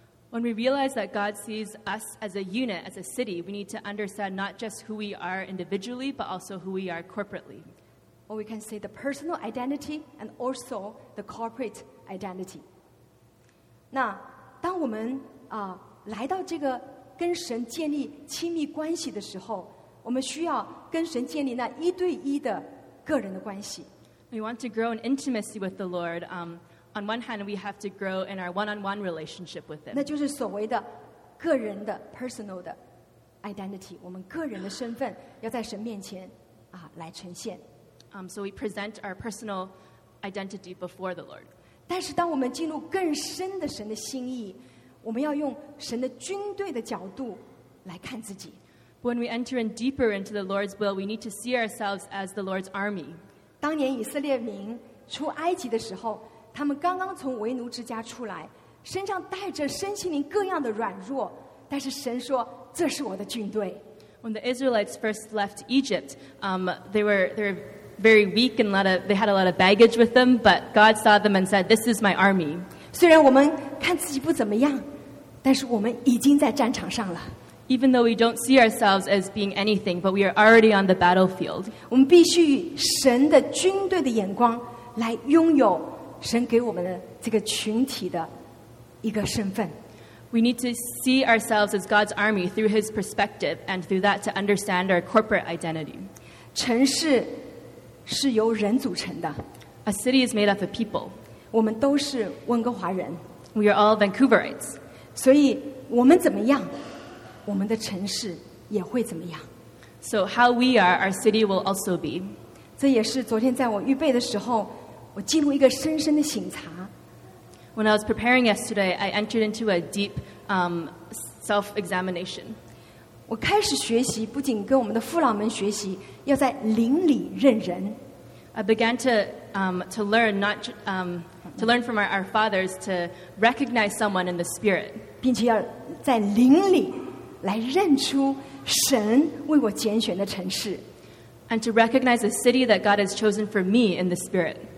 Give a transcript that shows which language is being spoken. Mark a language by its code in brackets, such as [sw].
[en] When we realize that God sees us as a unit, as a city, we need to understand not just who we are individually, but also who we are corporately. Or we can say the personal identity and also the corporate identity. [zh] 那当我们来到这个跟神建立亲密关系的时候，我们需要跟神建立那一对一的个人的关系。 [en] We want to grow in intimacy with the Lord. On one hand, we have to grow in our one-on-one relationship with Him. [zh] 那就是所谓的个人的 personal 的 identity， 我们个人的身份要在神面前来呈现。 [en] So we present our personal identity before the Lord. [zh] 但是当我们进入更深的神的心意。我们要用神的军队的角度来看自己。 [en] When we enter in deeper into the Lord's will, we need to see ourselves as the Lord's army. [zh] 当年以色列民出埃及的时候，他们刚刚从为奴之家出来，身上带着身心灵各样的软弱，但是神说，这是我的军队。 [en] When the Israelites first left Egypt, they were very weak and they had a lot of baggage with them, but God saw them and said, "This is my army." [zh] 虽然我们看自己不怎么样，但是我们已经在战场上了。 [en] Even though we don't see ourselves as being anything, but we are already on the battlefield. [zh] 我们必须以神的军队的眼光来拥有神给我们的这个群体的一个身份。 [en] We need to see ourselves as God's army through His perspective, and through that to understand our corporate identity. [zh] 城市是由人组成的。 [en] A city is made up of people. [zh] 我们都是温哥华人。 [en] We are all Vancouverites. [zh] 所以我们怎么样，我们的城市也会怎么样。 [en] So how we are, our city will also be. [zh] 这也是昨天在我预备的时候，我进入一个深深的省察。 [en] When I was preparing yesterday, I entered into a deep self-examination. [zh] 我开始学习，不仅跟我们的父老们学习，要在灵里认人。 [en] I began to learn from our fathers to recognize someone in the spirit. [zh] 并且要在灵里来认出神为我拣选的城市。 [en] And to recognize the city that God has chosen for me in the spirit.